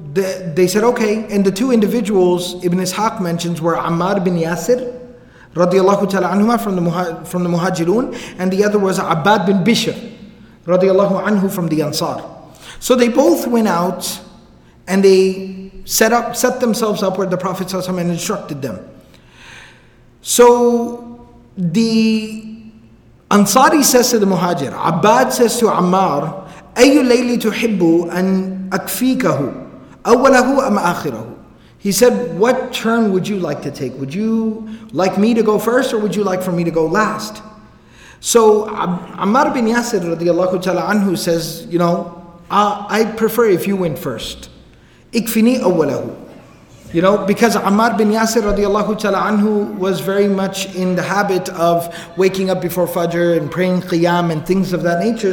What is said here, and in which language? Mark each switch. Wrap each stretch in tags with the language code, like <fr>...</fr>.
<en>they said, okay, and the two individuals Ibn Ishaq mentions were Ammar bin Yasir radiallahu ta'ala anhuma from the Muhajirun, and the other was Abbad bin Bishr radiallahu anhu from the Ansar. So they both went out and they set themselves up where the Prophet ﷺ and instructed them. So the Ansari says to the Muhajir, Abbad says to Ammar,</en> <ar>أي الليل تحب أن أكفيكه أوله أم آخره.</ar> <en>He said, what turn would you like to take? Would you like me to go first or would you like for me to go last? So Ammar bin Yasir radiallahu ta'ala anhu says, you know, I prefer if you went first. Ikfini awwalahu. You know, because Ammar bin Yasir radiallahu ta'ala anhu was very much in the habit of waking up before Fajr and praying Qiyam and things of that nature.</en>